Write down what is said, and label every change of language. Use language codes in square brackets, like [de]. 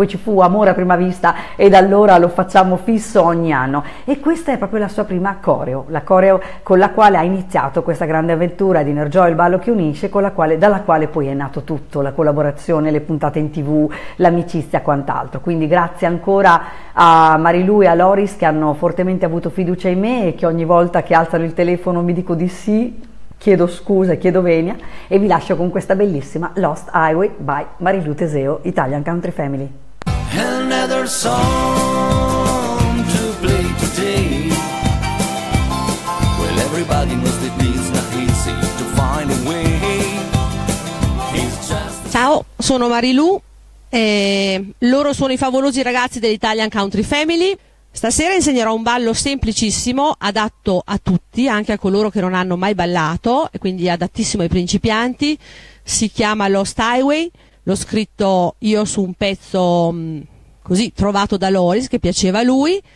[it] Poi ci fu amore a prima vista e da allora lo facciamo fisso ogni anno, e questa è proprio la sua prima coreo, la coreo con la quale ha iniziato questa grande avventura di Nerjoy, il ballo che unisce, con la quale, dalla quale poi è nato tutto, la collaborazione, le puntate in TV, l'amicizia, quant'altro. Quindi grazie ancora a Marilu e a Loris, che hanno fortemente avuto fiducia in me e che ogni volta che alzano il telefono mi dico di sì, chiedo scusa e chiedo venia, e vi lascio con questa bellissima Lost Highway by Marilu Teseo, Italian Country Family. [en] Another song to play today. Well, everybody knows that it's not easy to find a way. [it] Ciao, sono Marilu, loro sono i favolosi ragazzi dell'Italian Country Family. Stasera insegnerò un ballo semplicissimo, adatto a tutti, anche a coloro che non hanno mai ballato, e quindi adattissimo ai principianti. Si chiama Lost Highway, l'ho scritto io su un pezzo così trovato da Loris, che piaceva a lui.